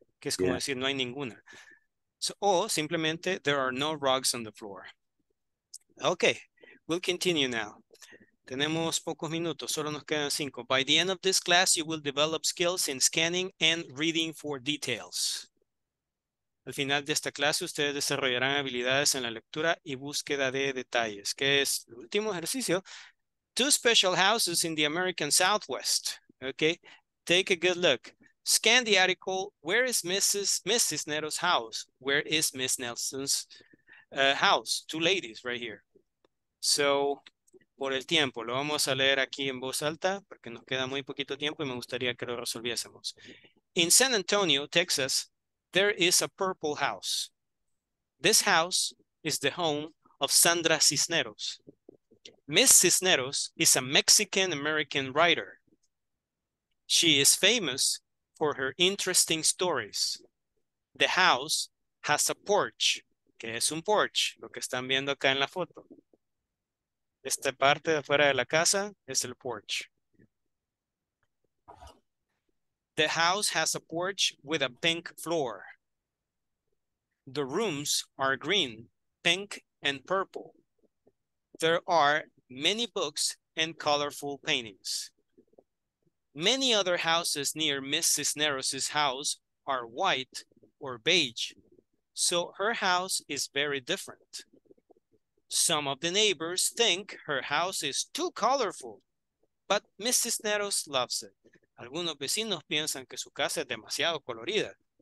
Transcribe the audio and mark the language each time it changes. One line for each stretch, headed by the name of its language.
Spanish: Que es como decir no hay ninguna. So, o simplemente
English: there are no rugs on the floor. Okay, we'll continue now.
Spanish: Tenemos pocos minutos, solo nos quedan cinco.
English: By the end of this class, you will develop skills in scanning and reading for details.
Spanish: Al final de esta clase, ustedes desarrollarán habilidades en la lectura y búsqueda de detalles. ¿Qué es el último ejercicio?
English: Two special houses in the American Southwest. Okay, take a good look. Scan the article, where is Mrs. Nero's house? Where is Miss Nelson's house? Two ladies right here.
Spanish: So, por el tiempo, lo vamos a leer aquí en voz alta porque nos queda muy poquito tiempo y me gustaría que lo resolviésemos.
English: In San Antonio, Texas, there is a purple house. This house is the home of Sandra Cisneros. Miss Cisneros is a Mexican-American writer. She is famous for her interesting stories. The house has a porch.
Spanish: ¿Qué es un porch? Lo que están viendo acá en la foto. Esta parte de afuera de la casa es el porch.
English: The house has a porch with a pink floor. The rooms are green, pink, and purple. There are many books and colorful paintings. Many other houses near Miss Cisneros' house are white or beige, so her house is very different. Some of the neighbors think her house is too colorful, but Miss Cisneros loves it.
Spanish: Algunos vecinos piensan que su casa es demasiado colorida.